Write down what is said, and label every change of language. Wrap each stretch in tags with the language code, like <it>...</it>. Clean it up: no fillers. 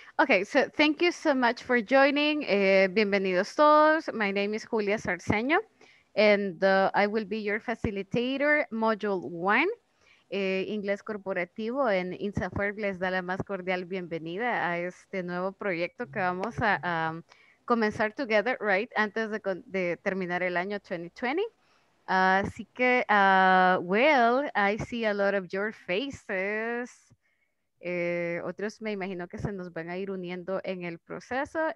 <en>Okay, so thank you so much for joining.</en> <es>Bienvenidos todos.</es> <en>My name is Julia Sarceño, and I will be your facilitator, Module 1.</en> <es>Inglés corporativo en INSAFERB les da la más cordial bienvenida a este nuevo proyecto que vamos a comenzar</es> <en>together, right,</en> <es>antes de terminar el año 2020. Así que,</es> <en>well, I see a lot of your faces.</en> <es>Otros me imagino que se nos van a ir uniendo en el proceso.</es>